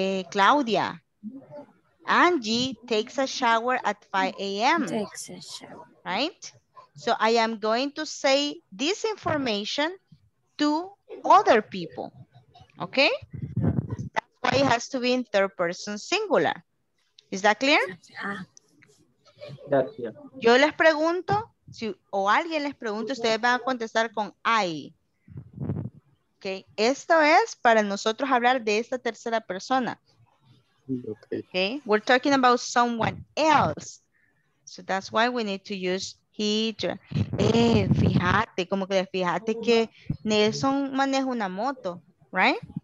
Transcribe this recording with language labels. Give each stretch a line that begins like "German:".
English: Claudia, Angie takes a shower at 5 a.m. Takes a shower. Right? So I am going to say this information to other people. Okay? That's why it has to be in third person singular. Is that clear? That's clear.
Spanish: Yo les pregunto, o alguien les pregunta, ustedes van a contestar con I. Okay. Esto es para nosotros hablar de esta tercera persona. Okay.
English: Okay. We're talking about someone else. So that's why we need to use he.
Spanish: Fíjate, como que fíjate que Nelson maneja una moto, right?